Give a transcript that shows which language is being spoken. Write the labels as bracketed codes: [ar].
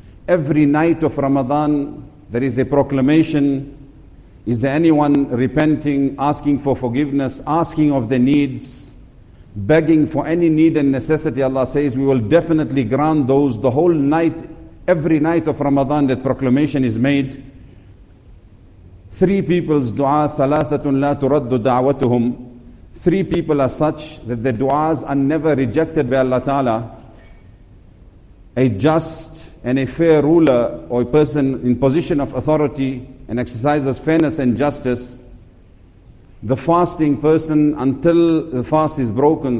[en] Every night of Ramadan, there is a proclamation. Is there anyone repenting, asking for forgiveness, asking of their needs, begging for any need and necessity? Allah says, we will definitely grant those. The whole night, every night of Ramadan, that proclamation is made. Three people's dua, [ar] ثَلَاثَةٌ لَا تُرَدُّ دَعْوَتُهُمْ. [en] Three people are such that their du'as are never rejected by Allah Ta'ala. A just and a fair ruler, or a person in position of authority and exercises fairness and justice. The fasting person, until the fast is broken.